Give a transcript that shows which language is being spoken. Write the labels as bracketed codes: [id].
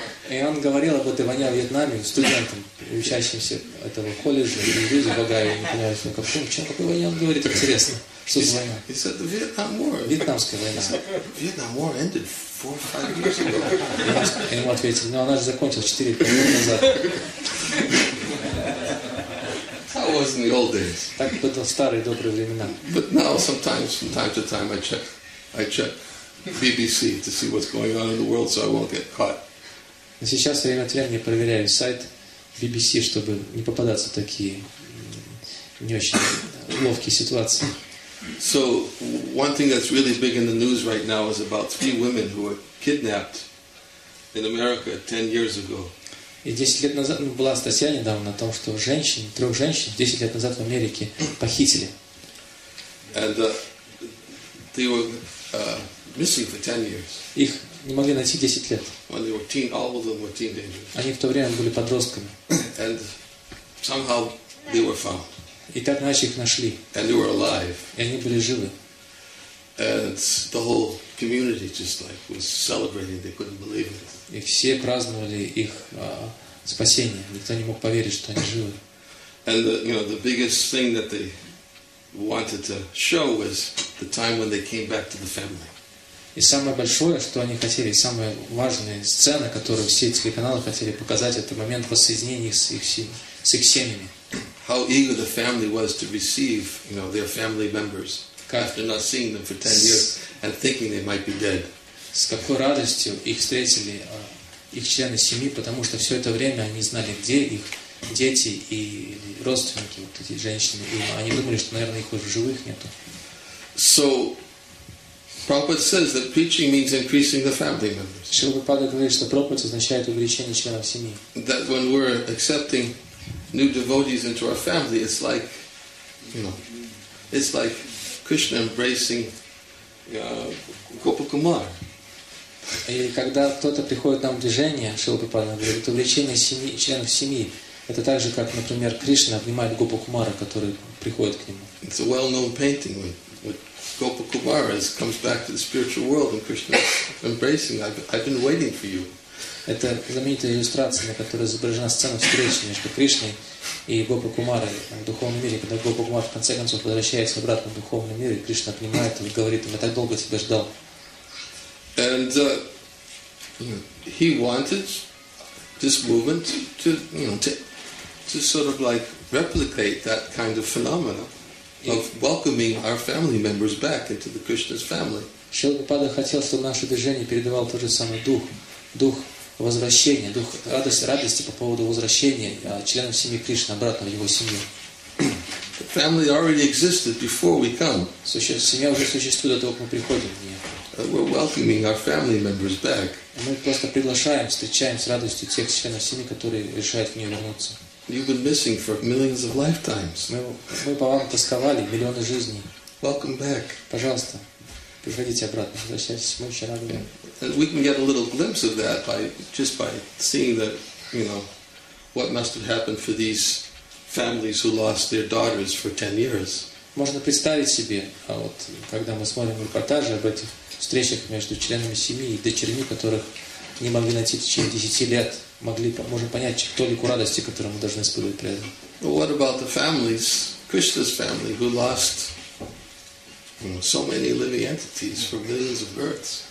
[ru] И он говорил об этой войне во Вьетнаме студентам, учащимся этого колледжа, и люди в Огайо, не понимали, что как, чем такой войне он говорит, интересно, что за война? [en] He said the Vietnam War. [ru] Вьетнамская война. [en] Vietnam War ended. Four, [ru] ему ответили, но она же закончилась 4-5 лет назад. [en] That was in the old days. [ru] Так было в старые добрые времена. [en] But now, sometimes, from time to time, I check BBC to see what's going on in the world, so I won't get caught. [ru] Сейчас время от времени проверяю сайт BBC, чтобы не попадаться в такие не очень ловкие ситуации. [en] So one thing that's really big in the news right now is about three women who were kidnapped in America 10 years ago. [ru] И 10 лет назад была статья недавно о том, что женщин, трех женщин 10 лет назад в Америке похитили. [en] And they were missing for 10 years. [ru] Их не могли найти 10 лет. [en] When they were teen, all of them were teenagers. [ru] Они в то время были подростками. [en] And somehow they were found. [ru] И так иначе их нашли. [en] And they were alive. [ru] И они были живы. [en] And the whole community just like was celebrating. They couldn't believe it. [ru] И все праздновали их спасение. Никто не мог поверить, что они живы. [en] And the biggest thing that they wanted to show was the time when they came back to the family. [ru] И самое большое, что они хотели, самая важная сцена, которую все телеканалы хотели показать, это момент воссоединения их с их семьями. [en] How eager the family was to receive, their family members after not seeing them for 10 years and thinking they might be dead. [ru] С какой радостью их встретили их члены семьи, потому что все это время они знали, где их дети и родственники, вот эти женщины, и они думали, что, наверное, их уже в живых нету. [en] So, Prabhupada says that preaching means increasing the family members. [ru] Шрила Прабхупада говорит, что проповедь означает увеличение членов семьи. [en] That when we're accepting new devotees into our family, it's like, it's like Krishna embracing Gopakumar. [ru] И когда кто-то приходит нам в движение, Шрила Прабхупада говорит, это увлечение семьи, членов семьи. Это так же, как, например, Кришна обнимает Гопакумара, который приходит к нему. [en] It's a well-known painting with Gopakumar as comes back to the spiritual world and Krishna embracing. I've been waiting for you. [ru] Это знаменитая иллюстрация, на которой изображена сцена встречи между Кришной и Гопакумарой в духовном мире, когда Гопакумар в конце концов возвращается обратно в духовный мир, и Кришна обнимает его и говорит ему: «Я так долго тебя ждал». [en] And he wanted this movement to, to sort of like replicate that kind of phenomena of welcoming our family members back into the Krishna's family. [ru] Шрила Прабхупада хотел, чтобы наше движение передавало тот же самый дух. Возвращение, дух радости по поводу возвращения членов семьи Кришны обратно в его семью. [en] Family already existed before we come. [ru] Семья уже существует до того, как мы приходим в нее. [en] We're welcoming our family members back. [ru] Мы просто приглашаем, встречаем с радостью тех членов семьи, которые решают в нее вернуться. [en] You've been missing for millions of lifetimes. [ru] Мы по вам тосковали миллионы жизней. [en] Welcome back. [ru] Пожалуйста. Приходите обратно, возвращайтесь, мы очень рады. [en] And we can get a little glimpse of that by seeing that, what must have happened for these families who lost their daughters for 10 years. [ru] Можно представить себе, когда мы смотрим репортажи об этих встречах между членами семьи и дочерьми, которых не могли найти в течение 10 лет, могли, можем понять толику радости, которую мы должны испытывать при этом. [en] Well, what about the families, Krishna's family, who lost so many living entities for millions of births?